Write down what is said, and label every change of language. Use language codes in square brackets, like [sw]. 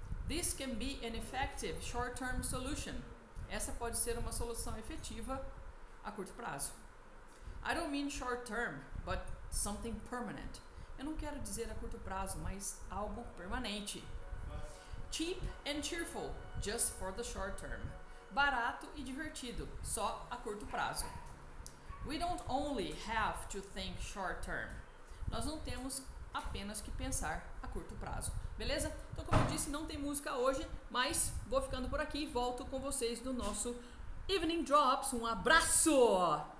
[en] This can be an effective short term solution. [pt] Essa pode ser uma solução efetiva a curto prazo. [en] I don't mean short term, but something permanent. [pt] Eu não quero dizer a curto prazo, mas algo permanente. [en] Cheap and cheerful, just for the short term. [pt] Barato e divertido, só a curto prazo. [en] We don't only have to think short term. [pt] Nós não temos apenas que pensar a curto prazo. Beleza? Então, como eu disse, não tem música hoje, mas vou ficando por aqui e volto com vocês no nosso Evening Drops. Um abraço!